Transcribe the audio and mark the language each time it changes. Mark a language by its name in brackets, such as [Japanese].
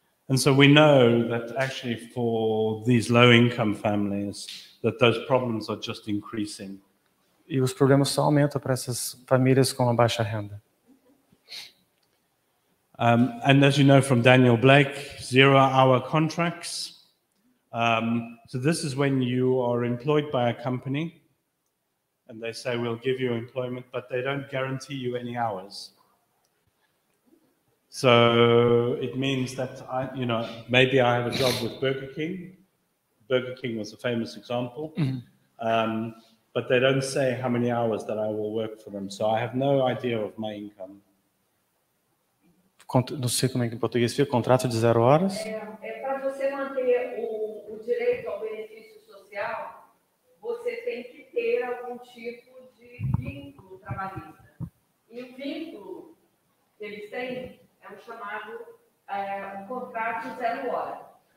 [English] And so we know that actually for these low-income families, that those problems are just increasing. [Portuguese] E os problemas só aumentam para essas famílias com a baixa renda. [English] And as you know from Daniel Blake, zero-hour contracts. So this is when you are employed by a company, and they say, we'll give you employment, but they don't guarantee you any hours. So it means that, maybe I have a job with Burger King. Burger King was a famous example. Mm-hmm. But they don't say how many hours that I will work for them. So I have no idea of my income. [Portuguese] Não sei como é que em português fica, contrato de zero horas. É para você manter o direito ao benefício social, você tem que ter algum tipo de vínculo trabalhista. E o vínculo que eles têm é o chamado contrato de zero hora.